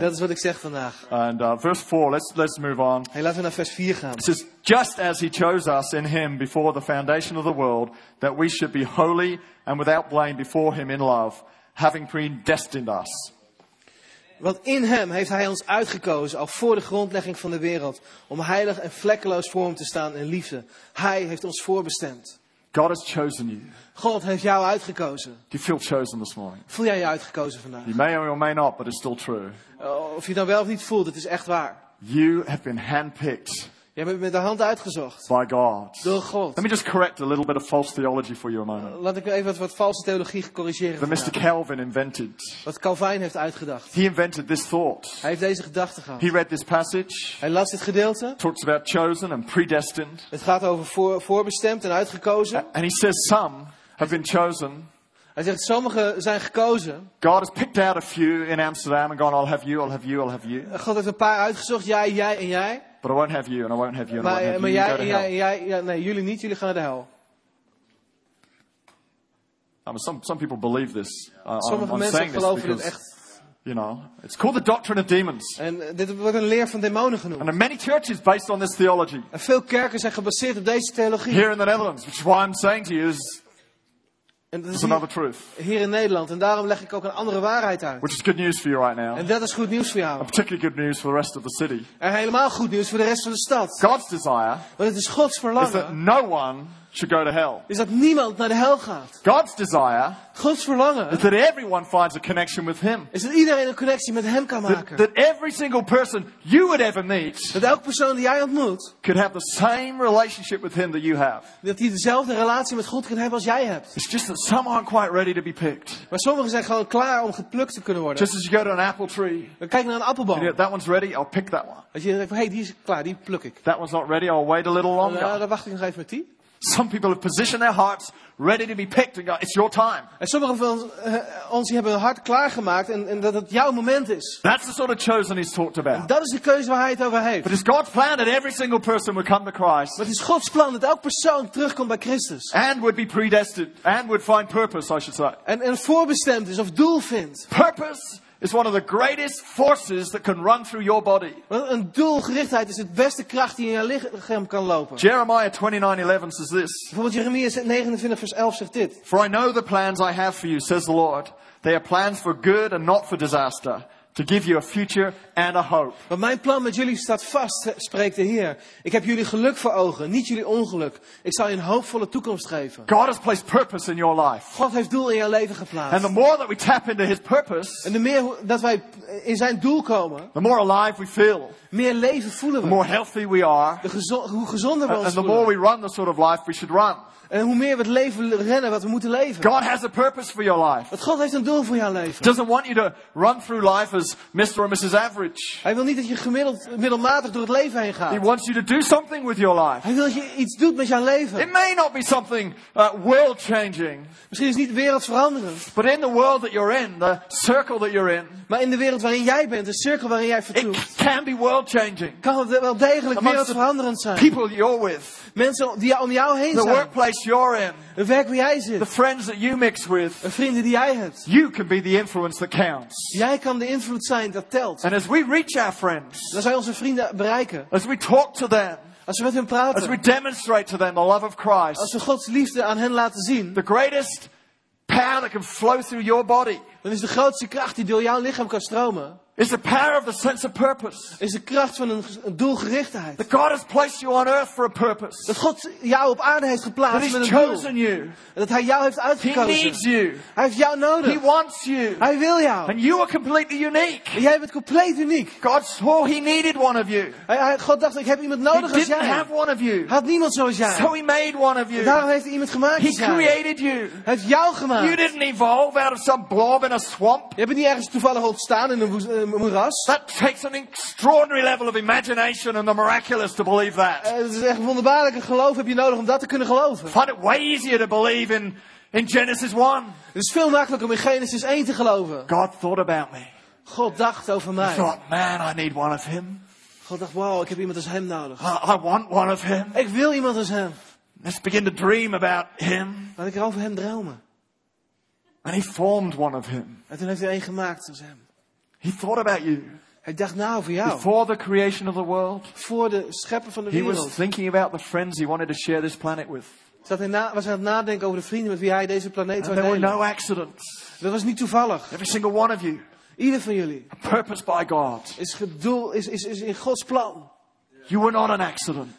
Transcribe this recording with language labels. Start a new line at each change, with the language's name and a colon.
Dutch: En dat is wat ik zeg vandaag.
English: And verse 4, let's move on.
Dutch: Hey, laten we naar vers 4 gaan.
English: It says, just as he chose us in him before the foundation of the world, that we should be holy and without blame before him in love, having predestined us.
Dutch: Want in hem heeft hij ons uitgekozen al voor de grondlegging van de wereld om heilig en vlekkeloos voor hem te staan in liefde. Hij heeft ons voorbestemd.
English: God has chosen you.
Dutch: God heeft jou uitgekozen.
English: You feel chosen this morning.
Dutch: Voel jij je uitgekozen vandaag?
English: You may or may not, but it's still true.
Dutch: Of je dan wel of niet voelt, het is echt waar.
English: You have been handpicked.
Dutch: Je hebt met de hand uitgezocht.
English: By God.
Dutch: Door God.
English: Let me just correct a little bit of false theology for you a moment.
Dutch: Laat ik even wat valse theologie corrigeren.
English: That Mr. Calvin invented.
Dutch: Wat Calvin heeft uitgedacht.
English: He invented this thought.
Dutch: Hij heeft deze gedachte gehad.
English: He read this passage.
Dutch: Hij las dit gedeelte.
English: Talks about chosen and predestined.
Dutch: Het gaat over voorbestemd en uitgekozen.
English: And he says some have been chosen.
Dutch: Hij zegt, sommigen zijn gekozen.
English: God has picked out a few in Amsterdam and gone, I'll have you, I'll have you, I'll have you.
Dutch: God heeft een paar uitgezocht, jij, jij en jij.
English: But I won't have you, and I won't have you, and
Dutch: maar,
English: I won't have
Dutch: maar
English: you.
Dutch: Nee, jullie niet, jullie gaan naar de hel.
English: I mean, some people believe this.
Dutch: Sommige mensen geloven dit echt.
English: You know, it's called the doctrine of demons.
Dutch: En dit wordt een leer van demonen genoemd.
English: And many churches based on this theology.
Dutch: En veel kerken zijn gebaseerd op deze theologie.
English: Here in the Netherlands, which is why I'm saying to you is. It's another truth.
Dutch: Hier in Nederland, en daarom leg ik ook een andere waarheid uit.
English: Which is good news for you right now.
Dutch: En dat is goed nieuws voor jou.
English: And particularly good news for the rest of the city.
Dutch: En helemaal goed nieuws voor de rest van de stad.
English: God's desire.
Dutch: Want het is Gods verlangen.
English: Is that no one should go to hell.
Dutch: Is dat niemand naar de hel gaat.
English: God's desire.
Dutch: Gods verlangen.
English: Is that everyone finds a connection with Him.
Dutch: Is dat iedereen een connectie met Hem kan maken.
English: That every single person you would ever meet.
Dutch: Dat elke persoon die jij ontmoet.
English: Could have the same relationship with Him that you have.
Dutch: Dat hij dezelfde relatie met God kan hebben als jij hebt.
English: It's just that some aren't quite ready to be picked.
Dutch: Maar sommigen zijn gewoon klaar om geplukt te kunnen worden.
English: Just as you go to an apple tree.
Dutch: Dan kijk naar een appelboom.
English: You know, that one's ready. I'll pick that one.
Dutch: Als je denkt, hey, die is klaar, die pluk ik.
English: That one's not ready. I'll wait a little longer.
Dutch: Ja, dan wacht ik nog even met die.
English: Some people have positioned their hearts ready to be picked and go, it's your time.
Dutch: En sommige van ons hebben hun hart klaargemaakt en dat het jouw moment is.
English: That's the sort of chosen he's talked about.
Dutch: En dat is de keuze waar hij het over heeft.
English: But it's God's plan that every single person would come to Christ.
Dutch: Maar het is Gods plan dat elk persoon terugkomt bij Christus.
English: And would be predestined and would find purpose, I should say.
Dutch: En voorbestemd is of doel vindt.
English: Purpose is one of the greatest forces that can run through your body.
Dutch: Een doelgerichtheid is het beste kracht die in je lichaam kan lopen.
English: Jeremiah 29:11 says this.
Dutch: Bijvoorbeeld Jeremia 29:11 zegt dit.
English: For I know the plans I have for you, says the Lord. They are plans for good and not for disaster. To give you a future and a hope.
Dutch: Want mijn plan met jullie staat vast, spreekt de Heer. Ik heb jullie geluk voor ogen, niet jullie ongeluk. Ik zal je een hoopvolle toekomst geven.
English: God has placed purpose in your life.
Dutch: God heeft doel in jouw leven geplaatst.
English: And the more that we tap into His purpose.
Dutch: En de meer dat wij in zijn doel komen.
English: The more alive we feel.
Dutch: Meer leven voelen we.
English: The more healthy we are.
Dutch: Hoe gezonder we ons voelen.
English: And the more we run the sort of life we should run.
Dutch: En hoe meer we het leven rennen wat we moeten leven.
English: God has a purpose for your life.
Dutch: Want God heeft een doel voor jouw leven.
English: Doesn't want you to run through life as Mr. or Mrs. Average.
Dutch: Hij wil niet dat je middelmatig door het leven heen gaat.
English: He wants you to do something with your life.
Dutch: Hij wil dat je iets doet met jouw leven.
English: It may not be something world changing.
Dutch: Misschien is het niet wereldveranderend.
English: But in the world that you're in, the circle that you're in.
Dutch: Maar in de wereld waarin jij bent, de cirkel waarin jij vertoeft.
English: It can be world changing.
Dutch: Kan het wel degelijk wereldveranderend zijn.
English: People you're with.
Dutch: Mensen die om jou heen
English: the
Dutch: zijn.
English: Workplace you're in.
Dutch: De werk waar jij zit.
English: The friends that you mix with.
Dutch: De vrienden die jij hebt.
English: You can be the influence that counts.
Dutch: Jij kan de invloed zijn dat telt.
English: And as we reach our friends.
Dutch: Dan zijn onze vrienden bereiken.
English: As we talk to them.
Dutch: Als we met hen praten.
English: As we demonstrate to them the love of Christ.
Dutch: Als we Gods liefde aan hen laten zien.
English: The greatest power that can flow through your body.
Dutch: Dan is de grootste kracht die door jouw lichaam kan stromen.
English: Is the power of the sense of purpose.
Dutch: Is de kracht van een doelgerichtheid.
English: That God has placed you on earth for a purpose.
Dutch: Dat God jou op aarde heeft geplaatst met een doel.
English: That He's chosen you.
Dutch: Dat Hij jou heeft uitgekozen.
English: He needs you.
Dutch: Hij heeft jou nodig.
English: He wants you.
Dutch: Hij wil jou.
English: And you are completely unique.
Dutch: En jij bent compleet uniek.
English: God saw He needed one of you.
Dutch: God dacht, ik heb iemand nodig als jij.
English: He didn't have one of you.
Dutch: Had niemand zoals jij.
English: So He made one of you.
Dutch: Daarom heeft Hij iemand gemaakt.
English: He created you.
Dutch: Hij heeft jou gemaakt.
English: You didn't evolve out of some blob in a swamp.
Dutch: Je bent niet ergens toevallig ontstaan in een
English: That takes an extraordinary level of imagination and the miraculous to believe that.
Dutch: Het is echt wonderbaarlijk. Geloof heb je nodig om dat te kunnen geloven.
English: Find it way easier to believe in Genesis 1.
Dutch: Het is veel makkelijker om in Genesis 1 te geloven.
English: God thought about me.
Dutch: God dacht over mij.
English: He thought, man, I need one of Him.
Dutch: God dacht, wow, ik heb iemand als Hem nodig.
English: I want one of Him.
Dutch: Ik wil iemand als Hem.
English: Let's begin to dream about Him.
Dutch: Laat ik er over Hem dromen.
English: And He formed one of Him.
Dutch: En toen heeft Hij één gemaakt als Hem.
English: He thought about you.
Dutch: Hij dacht na over jou.
English: Before the creation of the world.
Dutch: Voor de schepper van de wereld.
English: He was thinking about the friends he wanted to share this planet with.
Dutch: Was hij aan het nadenken over de vrienden met wie hij deze planeet wilde delen.
English: There were no accidents.
Dutch: Dat was niet toevallig.
English: Every single one of you.
Dutch: Ieder van jullie.
English: A purpose by God.
Dutch: Is in Gods plan.
English: You were not an accident.